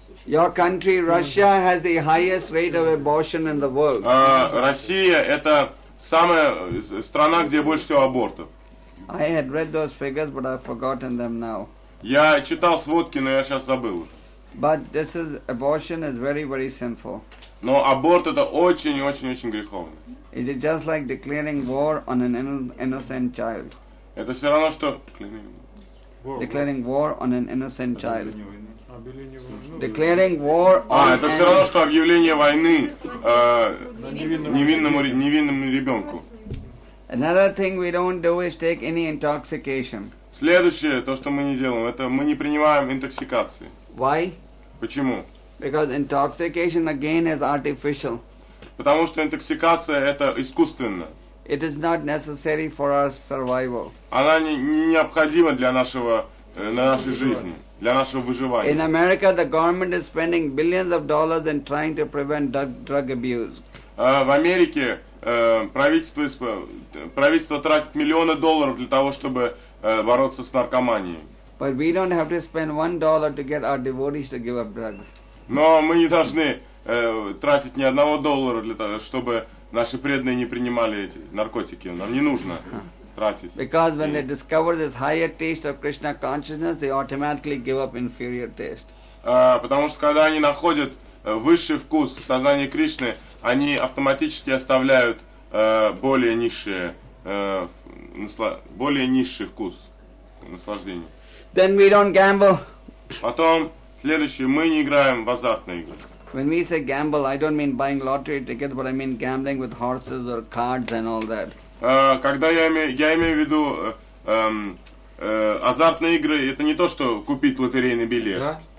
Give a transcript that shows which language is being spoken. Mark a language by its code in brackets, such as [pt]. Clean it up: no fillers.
[ru] существа. [en] Your country, Russia, has the highest rate of abortion in the world. [ru] Россия это самая страна, где больше всего абортов. [en] I had read those figures, but I've forgotten them now. [ru] Я читал сводки, но я сейчас забыл. [en] But this is abortion is very, very sinful. [ru] Но аборт это очень греховно. [en] Is it just like declaring war on an innocent child? [ru] Это все равно что? [en] Declaring war on an innocent child. Declaring war on. [ru] А это все равно что объявление войны невинному ребенку. [en] Another thing we don't do is take any intoxication. [ru] Следующее, то, что мы не делаем, это мы не принимаем интоксикации. [en] Why? [ru] Почему? [en] Because intoxication again is artificial. [ru] Потому что интоксикация это искусственно. [en] It is not necessary for our survival. [ru] Она не необходима для нашего для нашей жизни, для нашего выживания. [en] In America, the government is spending billions of dollars in trying to prevent drug abuse. [ru] В Америке правительство тратит миллионы долларов для того, чтобы бороться с наркоманией. [en] But we don't have to spend $1 to get our devotees to give up drugs. [ru] Но мы не должны тратить ни одного доллара для того, чтобы наши преданные не принимали эти наркотики. Нам не нужно тратить. [en] Because when they discover this higher taste of Krishna consciousness, they automatically give up inferior taste. [ru] Потому что когда они находят высший вкус сознания Кришны, они автоматически оставляют более низший вкус наслаждения. [en] Then we don't gamble. [ru] Потом, следующее, мы не играем в азартные игры. [en] When we say gamble, I don't mean buying lottery tickets, but I mean gambling with horses or cards and all that. [ru] Когда я имею в виду азартные игры, это не то, что купить лотерейный билет.